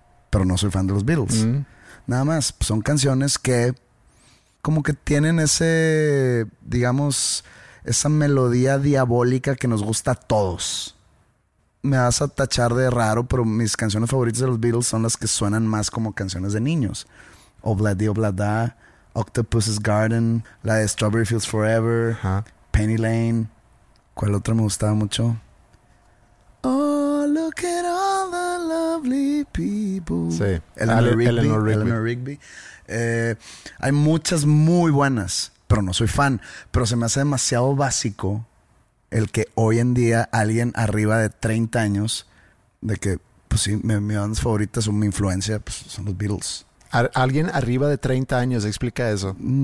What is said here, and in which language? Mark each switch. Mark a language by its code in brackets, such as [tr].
[es] Pero no soy fan de los Beatles. Nada más, son canciones que como que tienen ese, digamos, esa melodía diabólica que nos gusta a todos. Me vas a tachar de raro, pero mis canciones favoritas de los Beatles son las que suenan más como canciones de niños. Obladi Oblada, Octopus's Garden, la de Strawberry Fields Forever, Penny Lane. ¿Cuál otra me gustaba mucho? [en] Oh, look at all the lovely people. [es] Sí. Eleanor Rigby. Hay muchas muy buenas, pero no soy fan. Pero se me hace demasiado básico el que hoy en día alguien arriba de 30 años, de que, pues sí, mi banda favorita, son mi influencia, pues son los Beatles. ¿Alguien arriba de 30 años? Explica eso.